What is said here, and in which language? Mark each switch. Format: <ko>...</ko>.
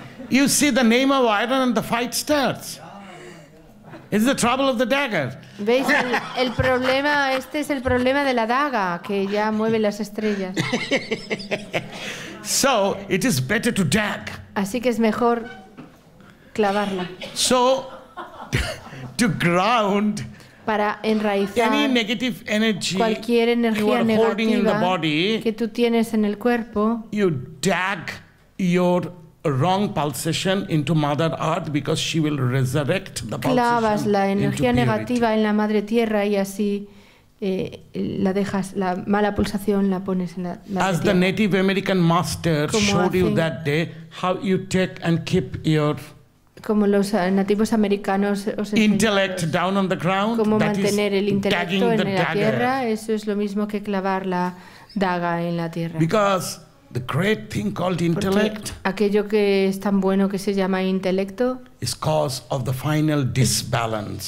<en>You see the name of iron and the fight starts. It's the trouble of the dagger.</en> <es>¿Veis? El problema, este es el problema de la daga, que ya mueve las estrellas.</es> <en>So, it is better to dag.</en> <es>Así que es mejor clavarla.</es> <en>So, to ground</en> <es>para enraizar</es> <en>any negative energy,</en> <es>cualquier energía negativa</es> <en>body,</en> <es>que tú tienes en el cuerpo,</es> <en>you dag your wrong pulsation into Mother Earth because she will resurrect the pulsation.</en> <es>Clavas la energía negativa en la Madre Tierra y así la dejas, la mala pulsación la pones en la Madre Tierra.</es> <en>As the Native American master showed you that day, how you take and keep your</en> <es>como los nativos americanos os enseñaron cómo mantener el intelecto en la tierra, eso es lo mismo que clavar la daga en la tierra.</es> <en>Because the great thing called intellect,</en> <es>aquello que es tan bueno que se llama intelecto,</es> <en>is cause of the final disbalance.</en>